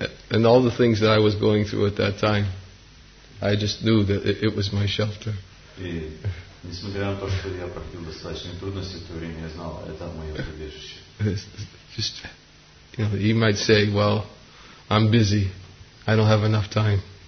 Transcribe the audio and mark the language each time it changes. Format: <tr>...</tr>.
<en>And all the things that I was going through at that time, I just knew that it was my shelter.</en> <ru>Несмотря на то, что я проходил достаточно трудности в то время, я знал, это мое убежище.</ru> <en>You know, you might say, well, I'm busy. I don't have enough time.</en>